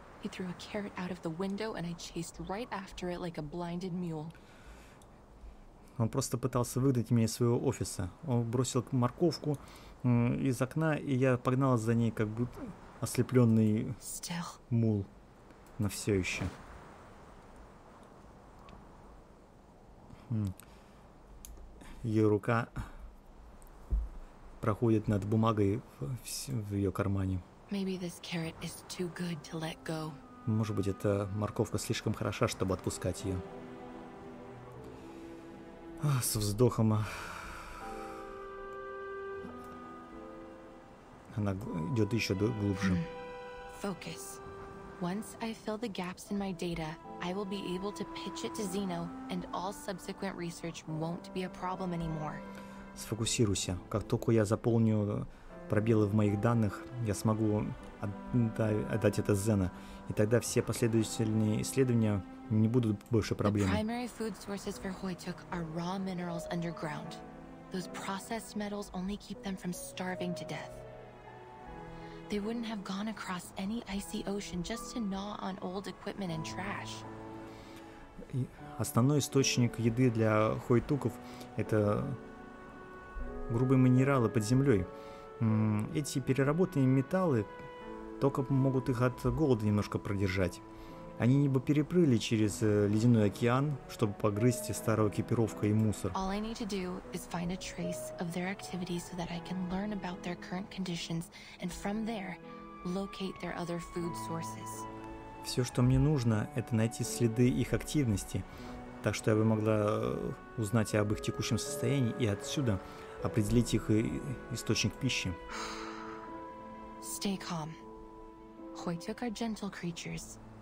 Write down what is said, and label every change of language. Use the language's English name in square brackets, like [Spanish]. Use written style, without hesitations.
[English] He threw a carrot out of the window, and I chased right after it like a blinded mule. [Russian] Он просто пытался выгнать меня из своего офиса. Он бросил морковку из окна, и я погнал за ней, как будто ослепленный [English] Still. [Russian] Мул. Но все еще. Ее рука проходит над бумагой в ее кармане. [English] Maybe this carrot is too good to let go. [Russian] Может быть, эта морковка слишком хороша, чтобы отпускать ее. С вздохом она идет еще глубже. [English] Focus. Once I fill the gaps in my data, I will be able to pitch it to Zeno, and all subsequent research won't be a problem anymore. [Russian] Сфокусируйся. Как только я заполню пробелы в моих данных, я смогу отдать это Зена, и тогда все последовательные исследования не будут больше проблемой. [English] The primary food sources for Hoytuk are raw minerals underground. Those processed metals only keep them from starving to death. They wouldn't have gone across any icy ocean just to gnaw on old equipment and trash. [Russian] Основной источник еды для Хойтуков — это грубые минералы под землей. Эти переработанные металлы только могут их от голода немножко продержать. Они либо перепрыгли через ледяной океан, чтобы погрызть старую экипировку и мусор. [English] All I need to do is find a trace of their activity so that I can learn about their current conditions and from there locate their other food sources. [Russian] Все, что мне нужно, это найти следы их активности, так что я бы могла узнать об их текущем состоянии и отсюда определить их источник пищи. [English] Stay calm. Hoytuk are gentle creatures.